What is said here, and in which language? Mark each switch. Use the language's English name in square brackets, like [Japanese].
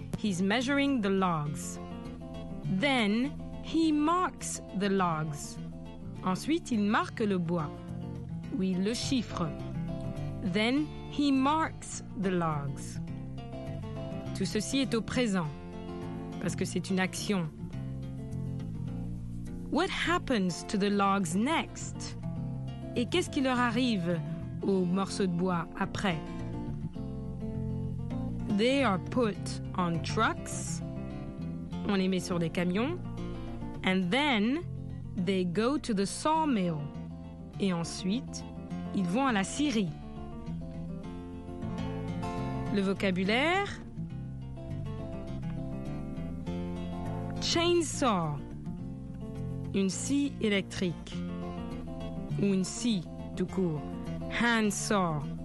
[English] He's measuring the logs. Then, he marks the logs. [French] Ensuite, il marque le bois. Oui, le chiffre. [English] Then, he marks the logs. [French] Tout ceci est au présent, parce que c'est une action. [English] What happens to the logs next? [French] Et qu'est-ce qui leur arrive aux morceaux de bois après? [English] They are put on trucks. [French] On les met sur des camions. [English] And then they go to the sawmill. [French] Et ensuite, ils vont à la scierie. Le vocabulaire. Chainsaw. Une scie électrique, ou une scie, tout court. Handsaw.